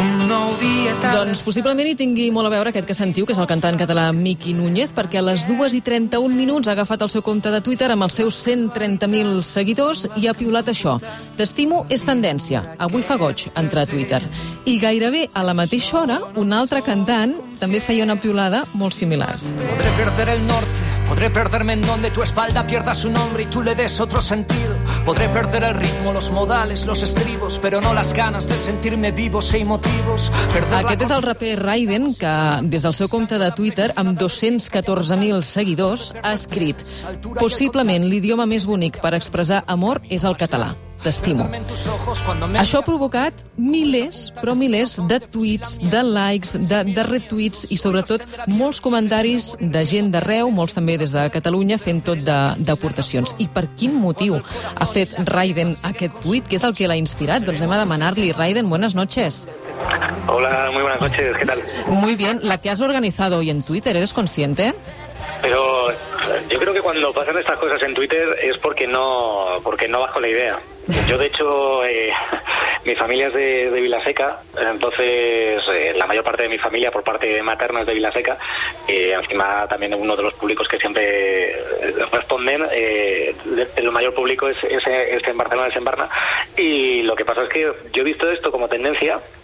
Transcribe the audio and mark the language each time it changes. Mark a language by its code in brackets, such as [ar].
[ca] Doncs possiblement hi tingui molt a veure aquest que sentiu, que és el cantant català Miqui Núñez, perquè a les 2:31 ha agafat el seu compte de Twitter amb els seus 130.000 seguidors i ha piulat això. T'estimo és tendència. Avui fa goig entrar a Twitter. I gairebé a la mateixa hora, un altre cantant també feia una piulada molt similar. [es] Podré perder el norte, podré perderme en donde tu espalda pierda su nombre y tú le des otro sentido. Podré perder el ritmo, los modales, los estribos, pero no las ganas de sentirme vivo sin motivos. [ca] Aquest és el raper Raiden, que des del seu compte de Twitter, amb 214.000 seguidors, ha escrit: possiblement l'idioma més bonic per expressar amor és el català. T'estimo. Això ha provocat milers, però milers, de tuits, de likes, de retuits i, sobretot, molts comentaris de gent d'arreu, molts també des de Catalunya, fent tot d'aportacions. I per quin motiu ha fet Raiden aquest tuit? Què és el que l'ha inspirat? Doncs hem de demanar-li. Raiden, [es] buenas noches. Hola, muy buenas noches. ¿Qué tal? Muy bien. La que has organizado hoy en Twitter, ¿eres consciente? Pero yo creo que cuando pasan estas cosas en Twitter es porque no vas con la idea. Yo, de hecho, mi familia es de Vilaseca, entonces la mayor parte de mi familia por parte materna es de Vilaseca, y encima también uno de los públicos que siempre responden, el mayor público es en Barcelona, es en Barna, y lo que pasa es que yo he visto esto como tendencia.